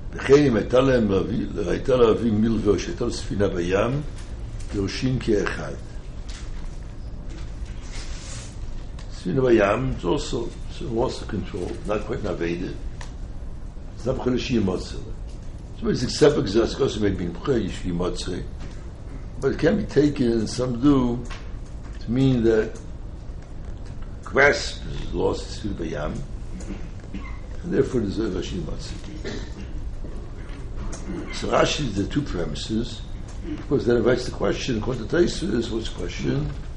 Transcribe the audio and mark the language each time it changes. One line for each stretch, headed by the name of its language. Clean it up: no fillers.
Hebrew: אם הייתה להם להביא מלווה או שהייתה לו ספינה בים, יורשים כאחד. ספינה בים, זה
English: also loss of control, not quite navigated.
Hebrew: זה לא בכלל שיהיה מוצר. זאת אומרת, זה קצת בגזרה, זה קצת מבין, בכלל יש לי מוצר.
English: But it can be taken, and some do, to mean that grasp is lost,
Hebrew: ספינה בים,
English: and therefore
Hebrew: זה לא שיהיה מוצר.
English: So Rashi is the two premises. Of course, that invites the question, according to Taisus, what's the question?